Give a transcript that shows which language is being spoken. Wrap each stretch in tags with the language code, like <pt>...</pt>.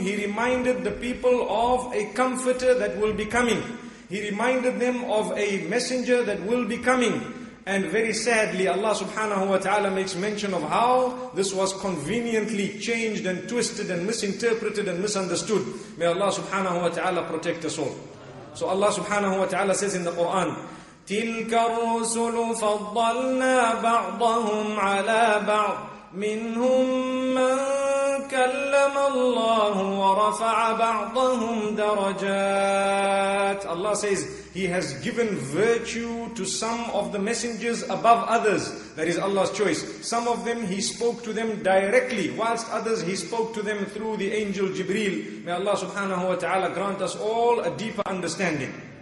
<en>He reminded the people of a comforter that will be coming. He reminded them of a messenger that will be coming. And very sadly, Allah subhanahu wa ta'ala makes mention of how this was conveniently changed and twisted and misinterpreted and misunderstood. May Allah subhanahu wa ta'ala protect us all. So Allah subhanahu wa ta'ala says in the Quran,</en> <ar>تِلْكَ الرُّسُلُ فَضَّلْنَا بَعْضَهُمْ عَلَى بَعْضٍ مِّنْهُمْ مَنْ كَلَّمَ اللَّهُ وَرَفَعَ بَعْضَهُمْ دَرَجَاتٍ.</ar> <en>Allah says, He has given virtue to some of the messengers above others. That is Allah's choice. Some of them He spoke to them directly, whilst others He spoke to them through the angel Jibreel. May Allah subhanahu wa ta'ala grant us all a deeper understanding.</en>